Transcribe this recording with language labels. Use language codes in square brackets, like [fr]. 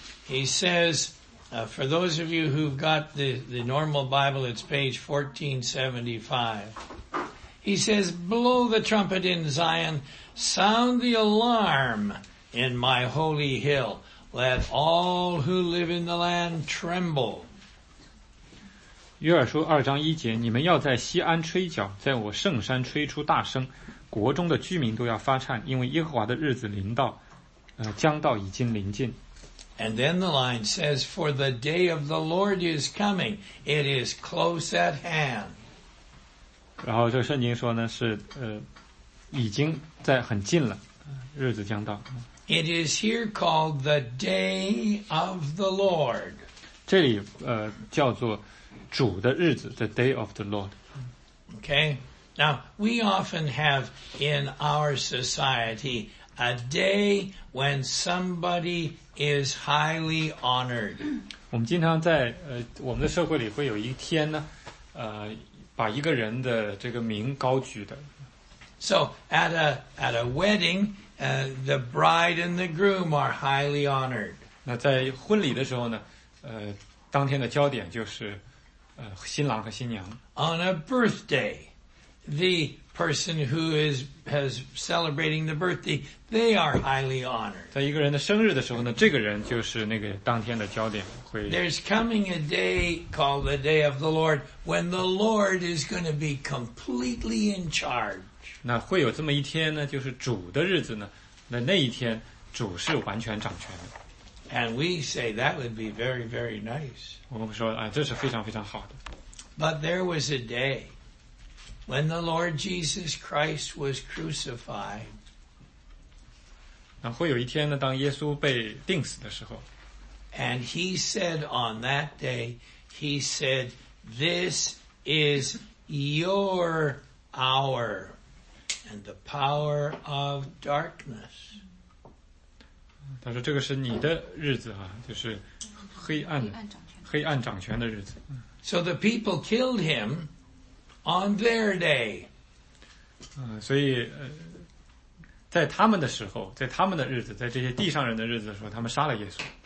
[en] He says, for those of you who've got the normal Bible, it's page 1475. He says, blow the trumpet in Zion, sound the alarm in my holy hill. Let all who live in the land tremble. [zh] 约珥书二章一节你们要在锡安吹角在我圣山吹出大声国中的居民都要发颤因为耶和华的日子临到将到已经临近 [en] And then the line says For the day of the Lord is coming It is close at hand [zh] 然后这圣经说呢是已经在很近了日子将到 [en] It is here called the day of the Lord [zh] 这里叫做主的日子 [en] the day of the Lord. Okay. Now, we often have in our society a day when somebody is highly honored. [zh] 我们经常在我们的社会里会有一天呢把一个人的这个名高举的。 [en] So, at a wedding, the bride and the groom are highly honored. [zh] 那在婚礼的时候呢当天的焦点就是新郎和新娘。 [en] On a birthday, the person who has celebrating the birthday, they are highly honored. [zh] 在一个人的生日的时候呢，这个人就是那个当天的焦点会。 [en] There's coming a day called the day of the Lord when the Lord is going to be completely in charge. [zh] 那会有这么一天呢，就是主的日子呢，那一天主是完全掌权的。 [en] And we say that would be very, very nice. [zh] 我们说这是非常非常好的。 [en] But there was a day when the Lord Jesus Christ was crucified. [zh] 然后会有一天呢，当耶稣被钉死的时候。 [en] And he said on that day, he said, this is your hour and the power of darkness. [zh] 他说这个是你的日子啊，就是黑暗的。黑暗掌权的日子。 [en] So the people killed him on their day. 所以在他们的时候，在他们的日子，在这些地上人的日子的时候，他们杀了耶稣。